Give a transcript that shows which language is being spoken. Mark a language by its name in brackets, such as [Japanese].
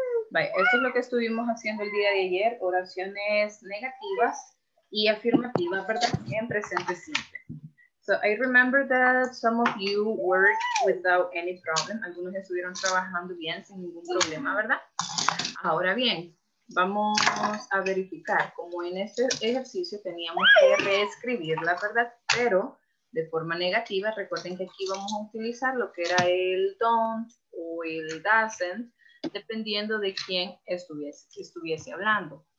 [Spanish] Vaya, esto es lo que estuvimos haciendo el día de ayer: oraciones negativas y afirmativas, ¿verdad? En presente simple. [English] So I remember that some of you worked without any problem. [Spanish] Algunos estuvieron trabajando bien sin ningún problema, ¿verdad? Ahora bien, vamos a verificar. Como en este ejercicio teníamos que reescribirla, ¿verdad? Pero de forma negativa, recuerden que aquí vamos a utilizar lo que era el don't o el doesn't, dependiendo de quién estuviese hablando.